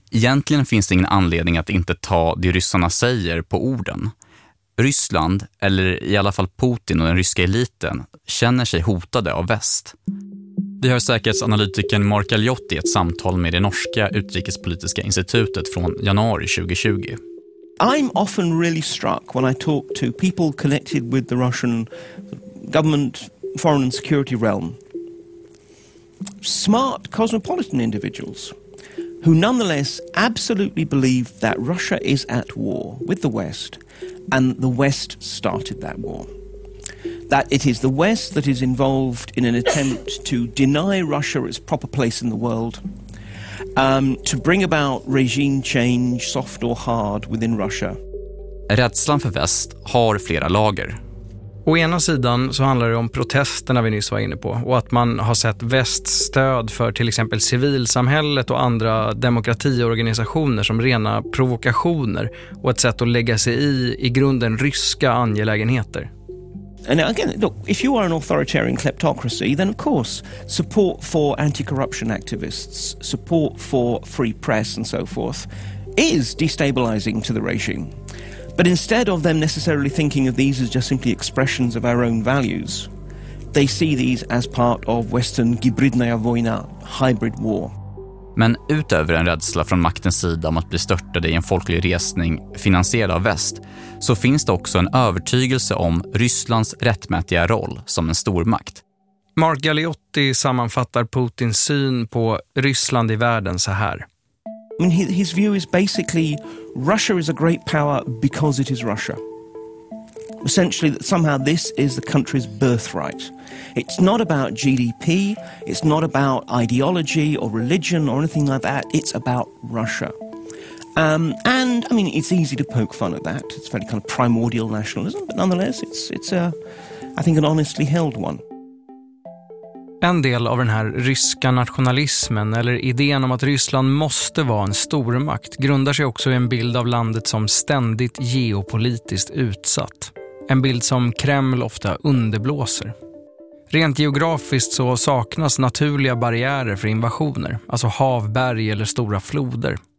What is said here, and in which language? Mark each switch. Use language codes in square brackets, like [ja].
[sv] Egentligen finns det ingen anledning att inte ta det ryssarna säger på orden. Ryssland, eller i alla fall Putin och den ryska eliten, känner sig hotade av väst. Vi hör säkerhetsanalytiken Mark Aliotti i ett samtal med det norska utrikespolitiska institutet från januari 2020. [en] I'm often really struck when I talk to people connected with the Russian government, foreign and security realm. Smart cosmopolitan individuals who nonetheless absolutely believe that Russia is at war with the West and the West started that war. That it is the West that is involved in an attempt to deny Russia its proper place in the world, to bring about regime change, soft or hard, within Russia. [sv] Rädslan för väst har flera lager. Å ena sidan så handlar det om protesterna vi nyss var inne på, och att man har sett västs stöd för till exempel civilsamhället och andra demokratiorganisationer som rena provokationer och ett sätt att lägga sig i grunden ryska angelägenheter. [en] And again, look, if you are an authoritarian kleptocracy, then of course support for anti-corruption activists, support for free press and so forth is destabilizing to the regime. But instead of them necessarily thinking of these as just simply expressions of our own values, they see these as part of Western gibridnaya vojna, hybrid war. [sv] Men utöver en rädsla från maktens sida om att bli störtade i en folklig resning finansierad av väst, så finns det också en övertygelse om Rysslands rättmätiga roll som en stormakt. Mark Galeotti sammanfattar Putins syn på Ryssland i världen så här. [en] I mean, his view is basically Russia is a great power because it is Russia. Essentially that somehow this is the country's birthright. It's not about GDP, it's not about ideology or religion or anything like that, it's about Russia. And I mean, it's easy to poke fun at that. It's very kind of primordial nationalism, but nonetheless it's a, I think, an honestly held one. [sv] En del av den här ryska nationalismen, eller idén om att Ryssland måste vara en stormakt, grundar sig också i en bild av landet som ständigt geopolitiskt utsatt. En bild som Kreml ofta underblåser. Rent geografiskt så saknas naturliga barriärer för invasioner, alltså havberg eller stora floder.